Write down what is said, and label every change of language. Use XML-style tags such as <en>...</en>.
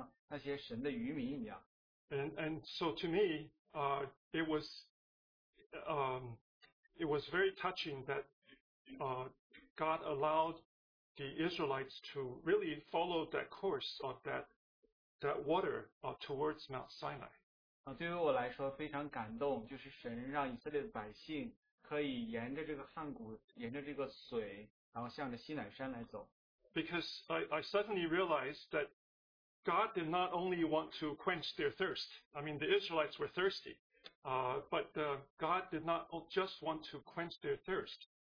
<en>And so to me, it was very touching that God allowed the Israelites to really follow that course of that water towards Mount Sinai.</en> <zh>对于我来说非常感动，就是神让以色列的百姓可以沿着这个汉谷，沿着这个水，然后向着西乃山来走。</zh> <en>Because I suddenly realized that God did not only want to quench their thirst. I mean, the Israelites were thirsty, but God did not just want to quench their thirst.</en>